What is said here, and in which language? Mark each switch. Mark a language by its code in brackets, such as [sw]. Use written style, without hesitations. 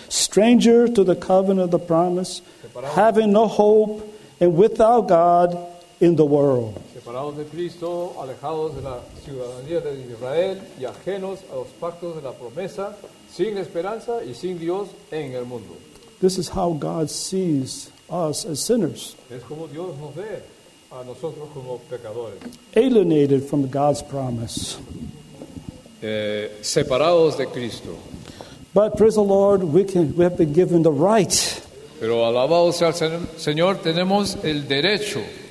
[en] Stranger to the covenant of the promise, separados, having no hope and without God in the world. [es] Separados de Cristo, alejados de la ciudadanía de Israel y ajenos a los pactos de la promesa, sin esperanza y sin Dios en el mundo. [en] This is how God sees us as sinners. [es] Es como Dios nos ve a nosotros como pecadores. [en] Alienated from God's promise. [es] Separados de Cristo. [en] But praise the Lord, we have been given the right. [es] Pero alabado sea el Señor, tenemos el derecho.